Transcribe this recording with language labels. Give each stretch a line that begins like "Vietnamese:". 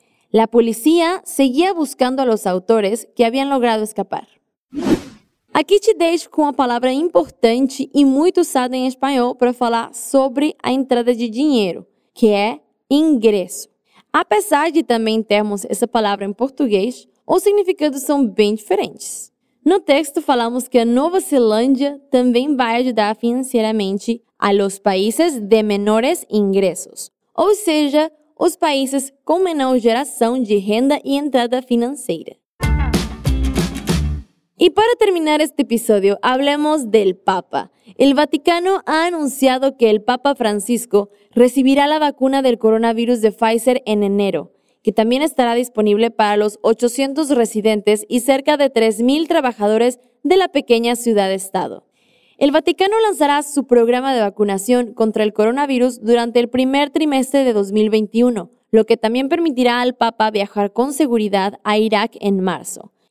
Spanish: La policía seguía buscando a los autores que habían logrado escapar. Aquí te dejo una palabra importante y muy usada en español para hablar sobre la entrada de dinero, que es ingreso.
Portuguese: Apesar de también termos
Spanish: esa palabra
Portuguese: en portugués, os significados são bem diferentes. No texto falamos que a Nova Zelândia também vai ajudar financeiramente
Spanish: a los países de menores ingressos,
Portuguese: ou seja, os países com menor geração de renda e entrada financeira. E para terminar este episódio,
Spanish: hablemos del Papa. El Vaticano ha anunciado que el Papa Francisco recibirá la vacuna del coronavirus de Pfizer en enero, que también estará disponible para los 800 residentes y cerca de 3.000 trabajadores de la pequeña ciudad-estado. El Vaticano lanzará su programa de vacunación contra el coronavirus durante el primer trimestre de 2021, lo que también permitirá al Papa viajar con seguridad a Irak en marzo.